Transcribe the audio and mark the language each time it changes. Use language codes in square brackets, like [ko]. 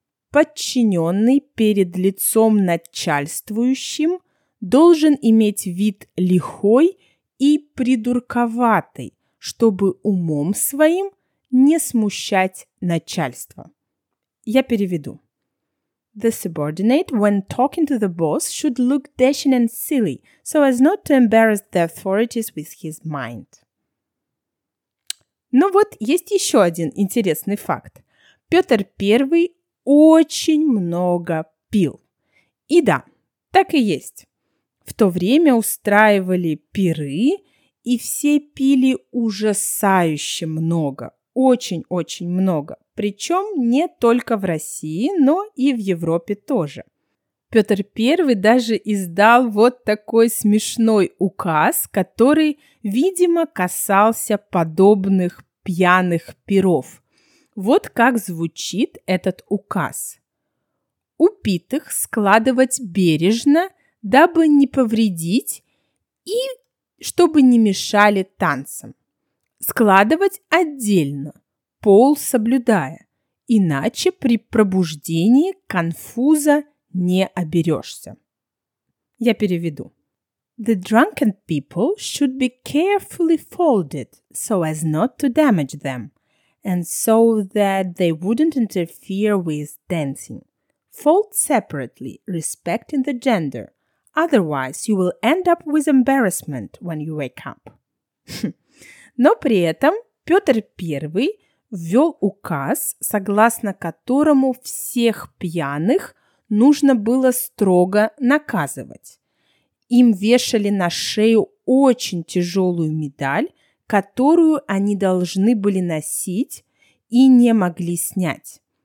[ru] «Подчиненный перед лицом начальствующим должен иметь вид лихой и придурковатый, чтобы умом своим не смущать начальство». Я переведу. [en] The subordinate, when talking to the boss, should look dashing and silly, so as not to embarrass the authorities with his mind. [ru] Ну вот, есть еще один интересный факт. Петр I очень много пил. И да, так и есть. В то время устраивали пиры, и все пили ужасающе много, очень-очень много. Причем не только в России, но и в Европе тоже. Петр I даже издал вот такой смешной указ, который, видимо, касался подобных пьяных пиров. Вот как звучит этот указ. Упитых складывать бережно, дабы не повредить и чтобы не мешали танцам. Складывать отдельно, пол соблюдая, иначе при пробуждении конфуза не оберешься. Я переведу. [en] The drunken people should be carefully folded so as not to damage them and so that they wouldn't interfere with dancing. Fold separately, respecting the gender. Otherwise, you will end up with embarrassment when you wake up. [ru] Но при этом Петр I ввел указ, согласно которому всех пьяных нужно было строго наказывать. Им вешали на шею очень тяжелую медаль, которую они должны были носить и не могли снять.